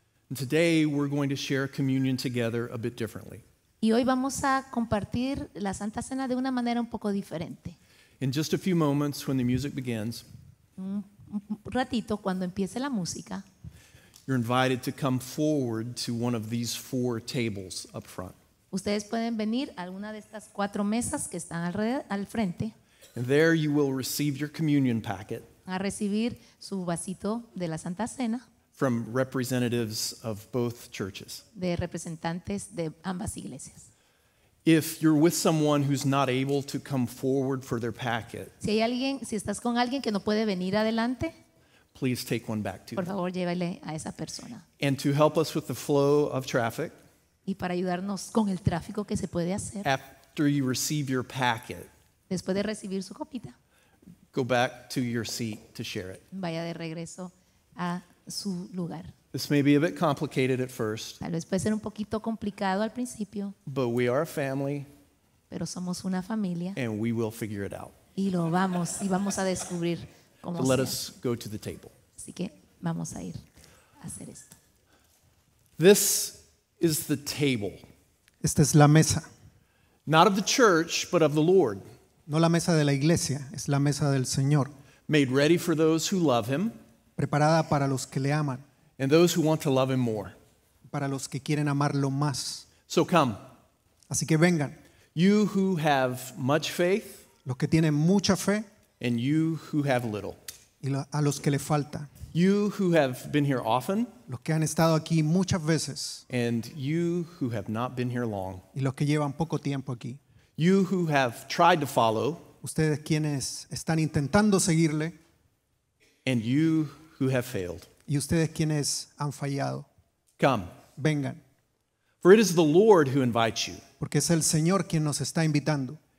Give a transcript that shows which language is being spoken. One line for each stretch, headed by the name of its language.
English: And today we're going to share communion together a bit differently.
Spanish: Y hoy vamos a compartir la Santa Cena de una manera un poco diferente.
English: In just a few moments when the music begins,
Spanish: un ratito cuando empiece la música,
English: you're invited to come forward to one of these four tables up front.
Spanish: Ustedes pueden venir a alguna de estas cuatro mesas que están al frente.
English: And there you will receive your communion packet.
Spanish: A recibir su vasito de la Santa Cena.
English: From representatives of both churches.
Spanish: De representantes de ambas iglesias.
English: If you're with someone who's not able to come forward for their packet.
Spanish: Si hay alguien, si estás con alguien que no puede venir adelante.
English: Please take one back to them.
Spanish: Por favor, llévale a esa persona.
English: And to help us with the flow of traffic.
Spanish: Y para ayudarnos con el tráfico que se puede hacer.
English: After you receive your packet.
Spanish: Después de recibir su copita.
English: Go back to your seat to share it.
Spanish: Vaya de regreso a su lugar.
English: This may be a bit complicated at first.
Spanish: Tal vez puede ser un poquito complicado al principio.
English: But we are a family.
Spanish: Pero somos una familia.
English: And we will figure it out.
Spanish: Y lo vamos, y vamos a descubrir cómo sea.
English: Let us go to the table.
Spanish: Así que vamos a ir a hacer esto.
English: This is the table.
Spanish: Esta es la mesa.
English: Not of the church, but of the Lord.
Spanish: No la mesa de la iglesia, es la mesa del Señor.
English: Made ready for those who love him.
Spanish: Preparada para los que le aman.
English: And those who want to love him more.
Spanish: Para los que quieren amarlo más.
English: So come.
Spanish: Así que vengan.
English: You who have much faith.
Spanish: Los que tienen mucha fe.
English: And you who have little.
Spanish: Y a los que le falta.
English: You who have been here often.
Spanish: Los que han estado aquí muchas veces.
English: And you who have not been here long.
Spanish: Y los que llevan poco tiempo aquí.
English: You who have tried to follow,
Spanish: ustedes quienes están intentando seguirle,
English: and you who have failed,
Spanish: y ustedes quienes han fallado,
English: come,
Spanish: vengan,
English: for it is the Lord who invites you,
Spanish: porque es el Señor quien nos está invitando,